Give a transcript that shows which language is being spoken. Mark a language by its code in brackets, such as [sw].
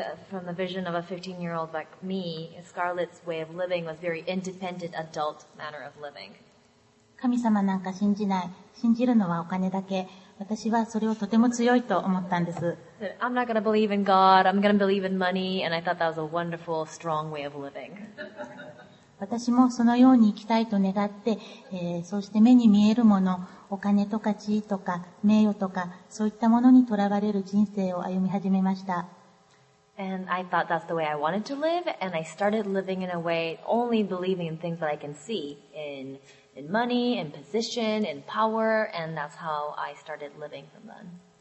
[en] From the vision of a 15-year-old like me, Scarlett's way of living was very independent adult manner of living. [ja] 神様なんか信じない。信じるのはお金だけ。私はそれをとても強いと思ったんです。 [en] I'm not gonna believe in God. I'm gonna believe in money. And I thought that was a wonderful, strong way of living. [ja] 私もそのように生きたいと願って、そうして目に見えるもの、お金とか地位とか名誉とか、そういったものにとらわれる人生を歩み始めました。 [en] And I thought that's the way I wanted to live. And I started living in a way only believing in things that I can see in money, in position, in power, and that's how I started living from then.